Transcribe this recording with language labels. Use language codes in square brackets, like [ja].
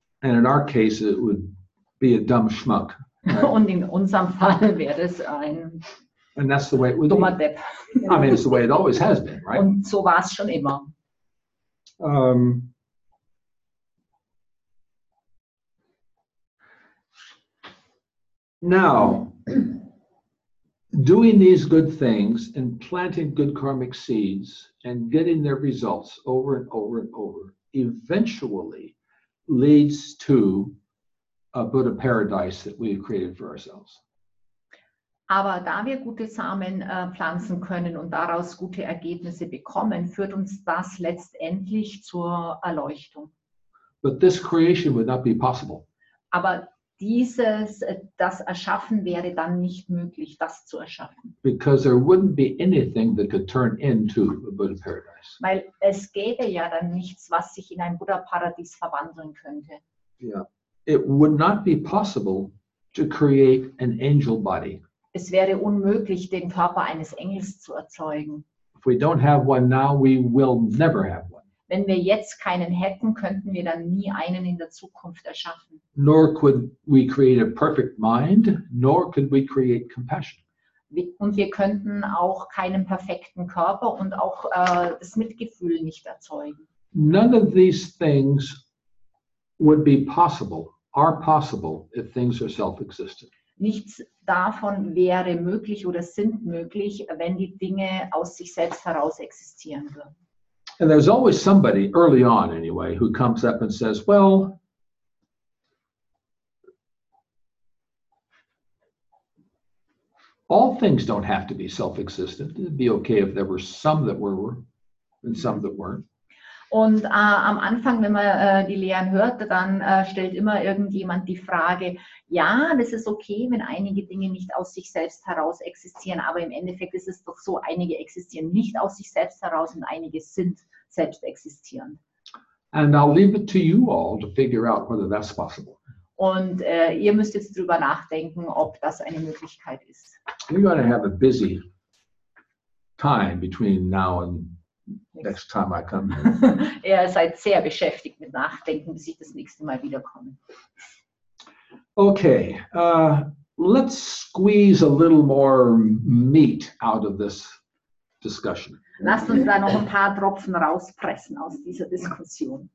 [en] And in our case, it would be a dumb schmuck. Right? [de] Und in unserem Fall wäre es ein... [en] And that's the way it would be. I mean, it's the way it always has been, right? [de] Und so war's schon immer. [en] Now, doing these good things and planting good karmic seeds and getting their results over and over and over eventually leads to a Buddha paradise that we've created for ourselves. [de] Aber da wir gute Samen pflanzen können und daraus gute Ergebnisse bekommen, führt uns das letztendlich zur Erleuchtung. [en] But this creation would not be possible. [de] Aber dieses, das Erschaffen wäre dann nicht möglich, das zu erschaffen. [en] Because there wouldn't be anything that could turn into a Buddha paradise. [de] Weil es gäbe ja dann nichts, was sich in ein Buddha-Paradies verwandeln könnte. [en] Yeah. It would not be possible to create an angel body. [de] Es wäre unmöglich, den Körper eines Engels zu erzeugen. [en] If we don't have one now, we will never have one. [de] Wenn wir jetzt keinen hätten, könnten wir dann nie einen in der Zukunft erschaffen. [en] Nor could we create a perfect mind, nor could we create compassion. [de] Und wir könnten auch keinen perfekten Körper und auch das Mitgefühl nicht erzeugen. [en] None of these things would be possible, are possible, if things are self-existent. [de] Nichts davon wäre möglich oder sind möglich, wenn die Dinge aus sich selbst heraus existieren würden. [en] And there's always somebody, early on anyway, who comes up and says, well, all things don't have to be self-existent. It'd be okay if there were some that were and some that weren't. [de] Und am Anfang, wenn man die Lehren hört, dann stellt immer irgendjemand die Frage, ja, das ist okay, wenn einige Dinge nicht aus sich selbst heraus existieren, aber im Endeffekt ist es doch so, einige existieren nicht aus sich selbst heraus und einige sind selbst existierend. [en] And I'll leave it to you all to figure out whether that's possible. [de] Und ihr müsst jetzt drüber nachdenken, ob das eine Möglichkeit ist. [en] We're going to have a busy time between now and next time I come. [de] Ihr seid sehr beschäftigt mit Nachdenken, bis ich das nächste Mal wiederkomme. [en] Okay, let's squeeze a little more meat out of this discussion. [de] Lasst uns da noch ein paar Tropfen rauspressen aus dieser Diskussion.